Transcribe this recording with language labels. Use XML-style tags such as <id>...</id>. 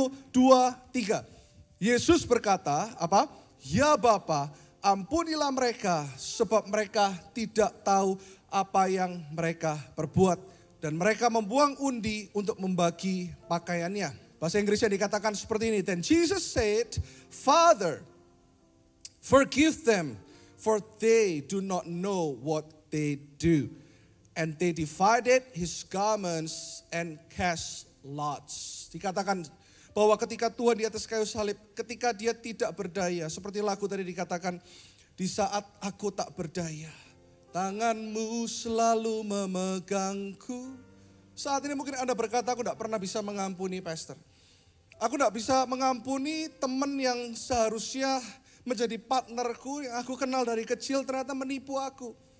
<id>1, 2, 3. Yesus berkata, apa? Ya Bapa, ampunilah mereka sebab mereka tidak tahu apa yang mereka perbuat. Dan mereka membuang undi untuk membagi pakaiannya. Bahasa Inggrisnya dikatakan seperti ini.</id> <en>Then Jesus said, Father, forgive them, for they do not know what they do. And they divided his garments and cast lots.</en> <id>Dikatakan bahwa ketika Tuhan di atas kayu salib, ketika dia tidak berdaya, seperti lagu tadi dikatakan, di saat aku tak berdaya, tanganmu selalu memegangku. Saat ini mungkin Anda berkata, aku tidak pernah bisa mengampuni pastor. Aku tidak bisa mengampuni teman yang seharusnya menjadi partnerku, yang aku kenal dari kecil ternyata menipu aku.</id>